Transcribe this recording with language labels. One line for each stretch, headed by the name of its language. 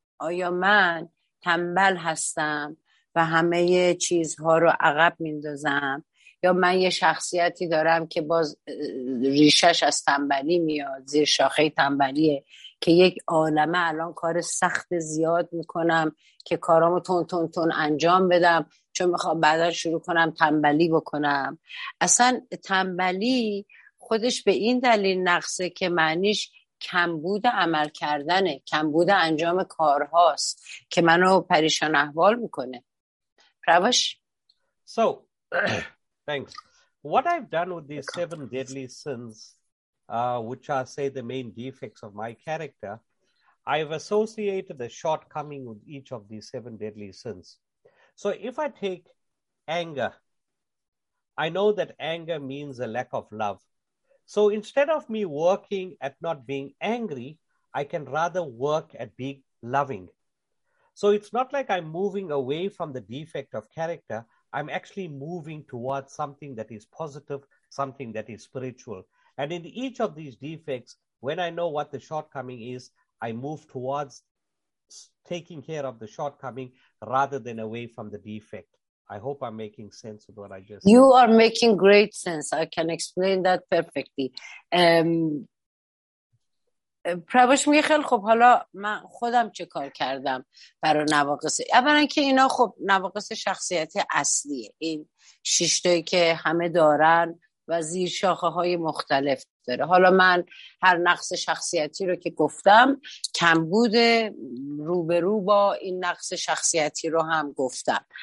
Persian: آیا من تنبل هستم و همه چیزها رو عقب میندازم؟ یا من یه شخصیتی دارم که باز ریشش از تنبلی میاد، زیر شاخه تنبلیه، که یک عالمه الان کار سخت زیاد میکنم که کارامو تون تون تون انجام بدم چون میخوام بعدا شروع کنم تنبلی بکنم. اصلا تنبلی خودش به این دلیل نقصه که معنیش کمبود عمل کردنه، کمبود انجام کارهاست که منو پریشان احوال میکنه. پروش.
English: So thanks. What I've done with these seven deadly sins, which are, say, the main defects of my character, I've associated a shortcoming with each of these seven deadly sins. So if I take anger, I know that anger means a lack of love. So instead of me working at not being angry, I can rather work at being loving. So it's not like I'm moving away from the defect of character. I'm actually moving towards something that is positive, something that is spiritual. And in each of these defects, when I know what the shortcoming is, I move towards taking care of the shortcoming rather than away from the defect. I hope I'm making sense of what I just said. You are making great sense. I can explain that perfectly.
Persian: پروش میگه خیلی خب حالا من خودم چه کار کردم برای نواقص. اولا که اینا خب نواقص شخصیت اصلیه، این شیشتایی که همه دارن و زیر شاخه های مختلف داره. حالا من هر نقص شخصیتی رو که گفتم کمبود روبرو با این نقص شخصیتی رو هم گفتم.